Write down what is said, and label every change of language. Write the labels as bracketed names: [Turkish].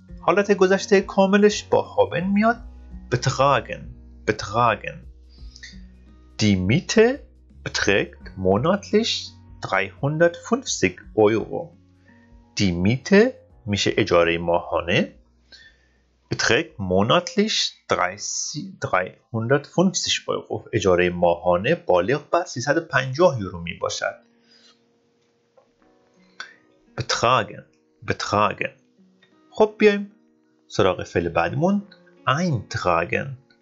[Persian] حالت گذشته کاملش با هابن میاد betragen. [German] die miete beträgt monatlich 350 euro. die miete [Persian] میشه اجاره ماهانه. [German] beträgt monatlich 350 euro. [Persian] اجاره ماهانه بالغ بر 350 یورو می باشد. [German] betragen. [Persian] خب بیایم سراغ فعل بعدمون eintragen.